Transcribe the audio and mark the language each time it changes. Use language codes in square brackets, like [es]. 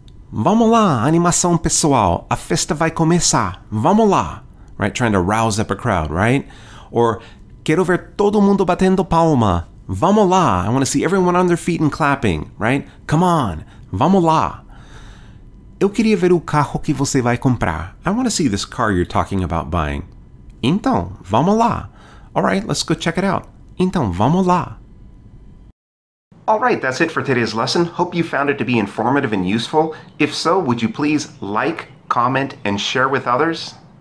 [pt] Vamos lá, animação pessoal. A festa vai começar. Vamos lá. [en] Right, trying to rouse up a crowd, right? Or, [pt] quero ver todo mundo batendo palma. Vamos lá. [en] I want to see everyone on their feet and clapping, right? Come on. [pt] Vamos lá. Eu queria ver o carro que você vai comprar. [en] I want to see this car you're talking about buying. [pt] Então, vamos lá. [en] All right, let's go check it out. [pt] Então, vamos lá. [en] All right, that's it for today's lesson. Hope you found it to be informative and useful. If so, would you please like, comment, and share with others?